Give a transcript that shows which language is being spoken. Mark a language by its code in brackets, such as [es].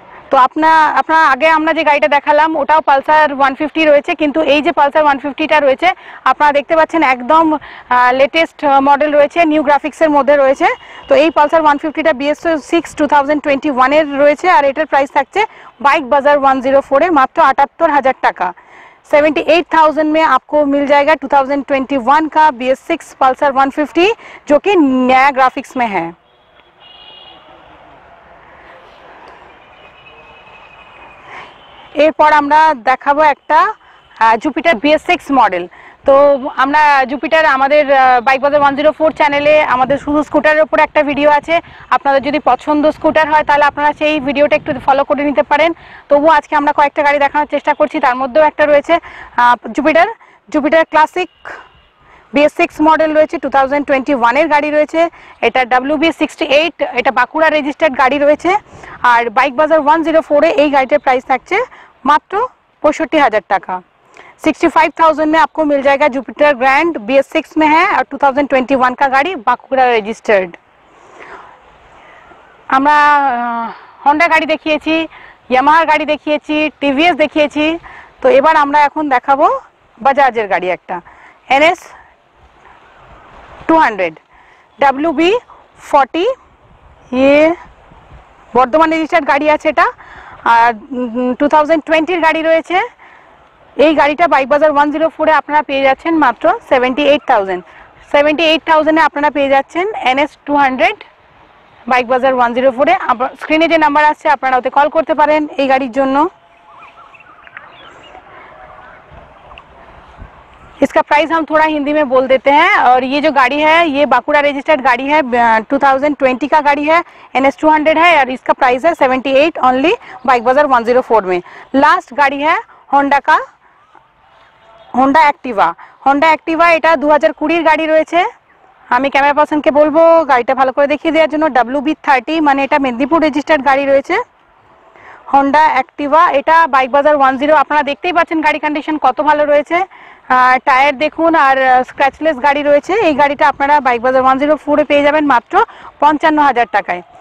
[bn] তো আপনার আগে আমরা যে গাড়িটা দেখালাম ওটাও পালসার 150 রয়েছে, কিন্তু এই যে পালসার 150টা রয়েছে আপনারা দেখতে পাচ্ছেন একদম লেটেস্ট মডেল রয়েছে, নিউ গ্রাফিক্সের মধ্যে রয়েছে। তো এই পালসার 150টা BS6 2021 এর রয়েছে, আর এটার প্রাইস থাকছে বাইক বাজার 104 এ মাত্র 78,000 টাকা। [hi] 78,000 में आपको मिल जाएगा 2021 का BS6 पल्सर 150 जो कि नया ग्राफिक्स में है। [bn] এরপর আমরা দেখাবো একটা জুপিটার BS6 মডেল। তো আমরা জুপিটার আমাদের বাইক বাজার 104 চ্যানেলে আমাদের শুধু স্কুটারের উপর একটা ভিডিও আছে, আপনাদের যদি পছন্দ স্কুটার হয় তাহলে আপনারা সেই ভিডিওটা একটু ফলো করে নিতে পারেন। তবুও আজকে আমরা কয়েকটা গাড়ি দেখানোর চেষ্টা করছি, তার মধ্যেও একটা রয়েছে Jupiter. Jupiter classic BS6 model রয়েছে, 2021 এর গাড়ি রয়েছে এটা, WB68, এটা বাঁকুড়া রেজিস্টার্ড গাড়ি রয়েছে। আর বাইক বাজার 104 এ এই গাড়িটার প্রাইস থাকছে মাত্র 65,000 টাকা। [hi] 65,000 में आपको मिल जाएगा जुपिटर ग्रैंड, BS6 में है और 2021 का गाड़ी, बांकुड़ा रजिस्टर्ड। हमरा होंडा गाड़ी देखिए, यामाहा गाड़ी देखिए, टीवीएस देखिए, [bn] तो एबार हमरा अखुन देखाबो बजाजर गाड़ी एकटा NS200 WB40, ये बर्धमान रजिस्टर्ड गाड़ी आछे एटा, आर 2020 गाड़ी रयेछे। এই গাড়িটা বাইক বাজার 104 এ আপনারা পেয়ে যাচ্ছেন মাত্র 78,000 এ আপনারা পেয়ে যাচ্ছেন NS200 বাইক বাজার 104 এ। স্ক্রিনে যে নাম্বার আছে আপনারা ওতে কল করতে পারেন এই গাড়ির জন্য। [hi] इसका प्राइस हम थोड़ा हिंदी में बोल देते हैं, और ये जो गाड़ी है ये बांकुड़ा रजिस्टर्ड गाड़ी है, 2020 का गाड़ी है, NS200 है, और इसका प्राइस है 78 ओनली बाइक बाजार 104 में। लास्ट गाड़ी है होंडा का, होंडा एक्टिवा [bn] এটা 2020 গাড়ি রয়েছে। আমি ক্যামেরা পার্সনকে বলবো গাড়িটা ভালো করে দেখিয়ে দেওয়ার জন্য। WB30 মানে এটা মেদিনীপুর রেজিস্টার্ড গাড়ি রয়েছে, হোন্ডা অ্যাক্টিভা, এটা বাইক বাজার 10। আপনারা দেখতেই পাচ্ছেন গাড়ি কন্ডিশন কত ভালো রয়েছে, টায়ার দেখুন আর স্ক্র্যাচলেস গাড়ি রয়েছে। এই গাড়িটা আপনারা বাইক বাজার 104 এ পেয়ে যাবেন মাত্র 55,000 টাকায়।